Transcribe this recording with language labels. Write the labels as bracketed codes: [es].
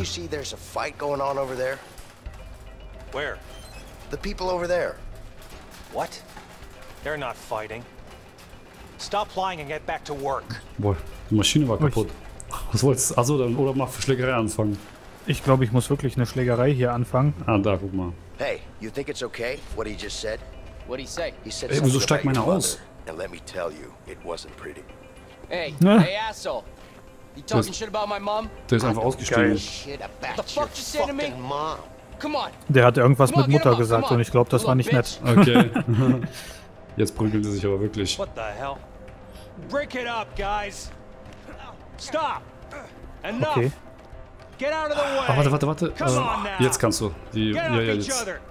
[en] You see there's a fight going on over there? Where? The people over there. What? They're not fighting. Stop lying and get back to work. [de] Boah, die Maschine war kaputt. Was wolltest du? Achso, dann oder mach Schlägerei anfangen. Ich glaube, ich muss wirklich eine Schlägerei hier anfangen. Ah, da, guck mal. [en] Hey, you think it's okay, what he just said? What'd he say? He [de] said, ey, wieso steigt meine aus? [en] And let me tell you, it wasn't pretty. [de] Hey, ne? [en] Hey, asshole. You talking shit about my mom? [de] Der ist einfach ausgestiegen. [en] What the fuck you say to me? Come on. [de] Der hat irgendwas mit Mutter gesagt und ich glaube, das war nicht nett. Okay. Jetzt prügeln sie sich aber wirklich. [en] What the hell? Break it up, guys. Stop! Enough! Okay. Get out of the way! [de] Oh, warte. [en] Come on now. [de] Jetzt kannst du. Jetzt.